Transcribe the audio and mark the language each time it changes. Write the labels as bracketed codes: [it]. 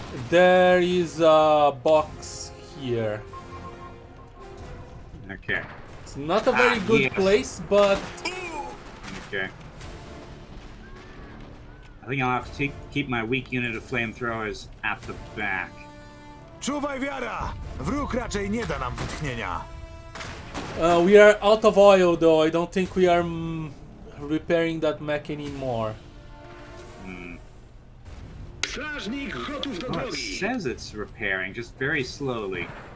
[en] There is a box here. Okay. It's not a very good place, but... Okay. I think I'll have to keep my weak unit of flamethrowers at the back. [pl] Czuwaj, wiara! Wróg raczej nie da nam wytchnienia. [en] We are out of oil, though. I don't think we are repairing that mech anymore. Oh, it says it's repairing, just very slowly.